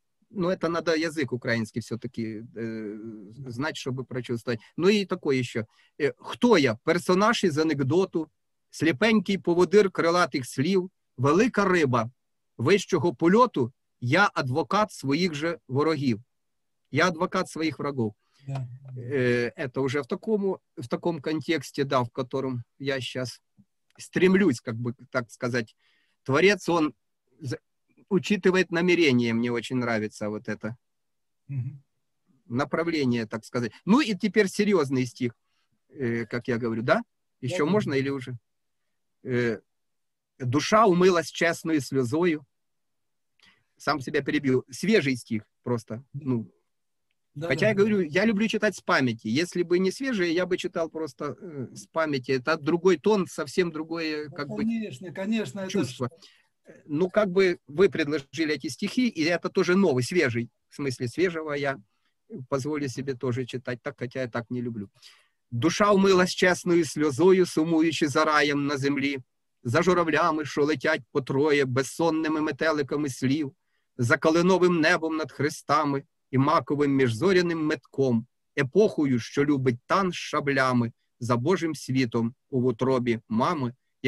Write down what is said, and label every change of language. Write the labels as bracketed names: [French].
[Ukrainian] Ну, це треба язик український все-таки знати, щоб прочувствувати. Ну, і таке ще. «Хто я? Персонаж із анекдоту, сліпенький поводир крилатих слів, велика риба вищого польоту, я адвокат своїх же ворогів». Я адвокат своїх врагів. [Russian] Это уже в таком контексте, да, в котором я сейчас стремлюсь, как бы так сказать. Творец, он учитывает намерение, мне очень нравится вот это. Угу. Направление, так сказать. Ну и теперь серьезный стих, как я говорю, да? Еще я можно или уже? «Душа умылась честной слезою». Сам себя перебил. Свежий стих просто, ну, хотя я говорю, я люблю читать с памяти. Если бы не свежие, я бы читал просто с памяти. Это другой тон, совсем другое, как бы. Конечно, чувство. Ну, как бы вы предложили эти стихи, и это тоже новый, свежий. В смысле, свежего я позволю себе тоже читать, так, хотя я так не люблю. [Ukrainian] «Душа умылась честною сльозою, сумуючи за раєм на землі, за журавлями, що летять по троє, безсонними метеликами слів, за калиновим небом над хрестами і маковим міжзоряним метком, епохою, що любить тан з шаблями, за Божим світом у утробі мами, і